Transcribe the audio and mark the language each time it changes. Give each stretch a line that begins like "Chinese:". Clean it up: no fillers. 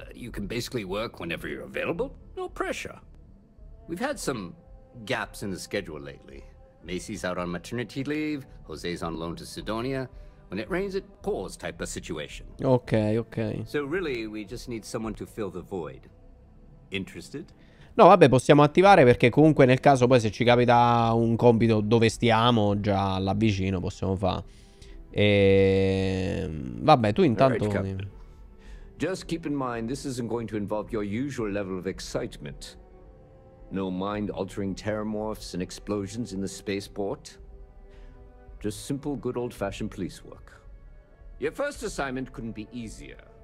English: You can basically work whenever you're available. No pressure. We've had some gaps in the schedule lately. Macy's out on maternity leave, Jose's on loan to Sidonia. When it rains, it pours type of situation. Okay, okay. So really, we just need someone to fill the void. Interested?
Italian: No, vabbè, possiamo attivare perché comunque nel caso poi se ci capita un compito dove stiamo, già là vicino possiamo fare. E vabbè, tu intanto
English: right, just keep in mind this isn't going to involve your usual level of excitement. No mind altering terramorphs and explosions in the spaceport. Just simple good old fashioned police work. Your first assignment couldn't be easier.